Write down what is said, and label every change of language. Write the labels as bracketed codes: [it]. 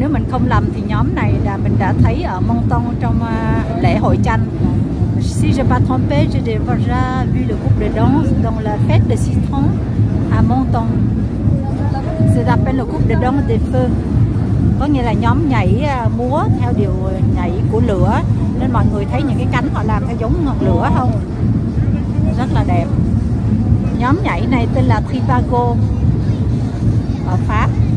[vi] không lầm thì nhóm này là mình đã thấy ở Monton trong lễ hội tranh. [fr] Si je pas trompé, j'ai déjà vu le groupe de danse dans la fête de citron à Monton. C'est appelé le groupe de danse des feux. [vi] Có nghĩa là nhóm nhảy múa theo điệu nhảy của lửa. Nên mọi người thấy những cái cánh họ làm theo giống ngọn lửa không? Rất là đẹp. Nhóm nhảy này tên là Trivago ở Pháp.